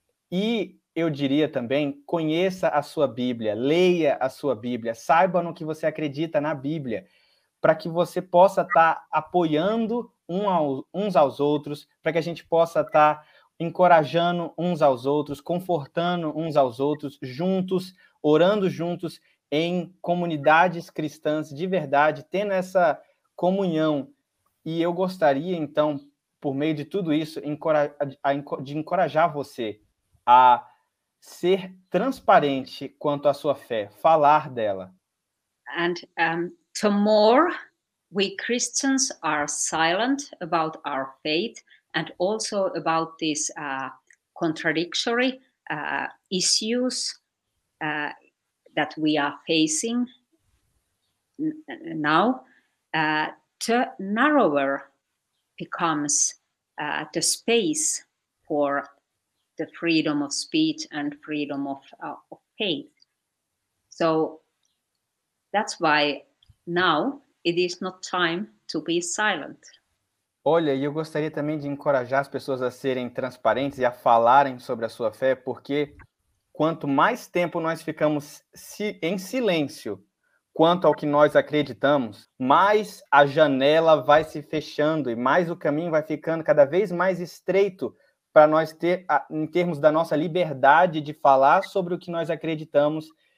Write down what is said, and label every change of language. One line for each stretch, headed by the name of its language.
Portuguese: E eu diria também, conheça a sua Bíblia, leia a sua Bíblia, saiba no que você acredita na Bíblia, para que você possa estar apoiando uns aos outros, para que a gente possa estar encorajando uns aos outros, confortando uns aos outros, juntos, orando juntos em comunidades cristãs de verdade, tendo essa comunhão. E eu gostaria, então, por meio de tudo isso, de encorajar você a ser transparente quanto à sua fé, falar dela.
English: And the more we Christians are silent about our faith and also about these contradictory issues that we are facing now, the narrower becomes the space for the freedom of speech and freedom of faith. So that's why now it is not time to be silent.
Portuguese: Olha, e eu gostaria também de encorajar as pessoas a serem transparentes e a falarem sobre a sua fé, porque quanto mais tempo nós ficamos em silêncio quanto ao que nós acreditamos, mais a janela vai se fechando e mais o caminho vai ficando cada vez mais estreito para nós ter, em termos da nossa liberdade de falar sobre o que nós acreditamos